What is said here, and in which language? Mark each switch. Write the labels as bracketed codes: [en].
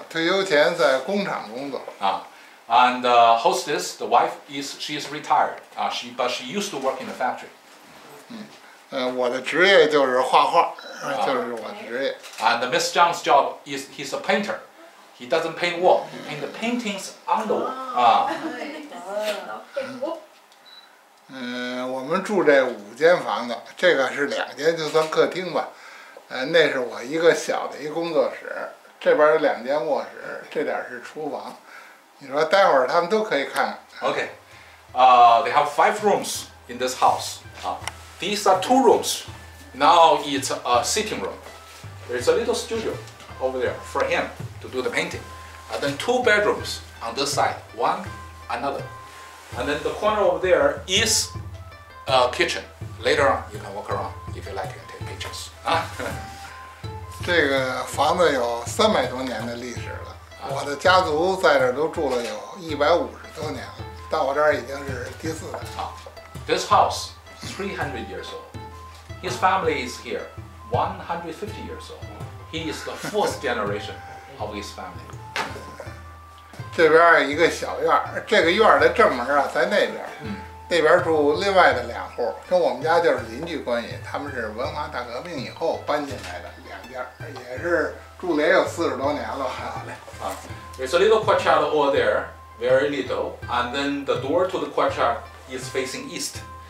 [zh] 她退休了，退休前在工厂工作。 [en] And the hostess, the wife, she is retired. But she used to work in the factory. [zh] 我的职业就是画画。 [en] And Miss Zhang's job is he's a painter. He doesn't paint wall, he paints the paintings on the wall. [zh] 我们住这五间房子，这个是两间，就算客厅吧。那是我一个小的一工作室，这边有两间卧室，这点是厨房。你说待会儿他们都可以看看。 [en] Okay. They have five rooms in this house. These are two rooms. Now it's a sitting room. There's a little studio over there for him to do the painting. And then two bedrooms on this side, one, another. And then the corner over there is a kitchen. Later on, you can walk around if you like and take pictures. [zh] 这个房子有300多年的历史了。我的家族在这都住了有150多年了。到我这儿已经是第四代了。 [en] This house, 300 years old. His family is here, 150 years old. He is the fourth generation of his family. [zh] 这边一个小院，这个院的正门啊，在那边。那边住另外的两户，跟我们家就是邻居关系。他们是文化大革命以后搬进来的两家，也是住了也有40多年了。好嘞。 [en] There's a little courtyard over there, very little, and then the door to the courtyard is facing east.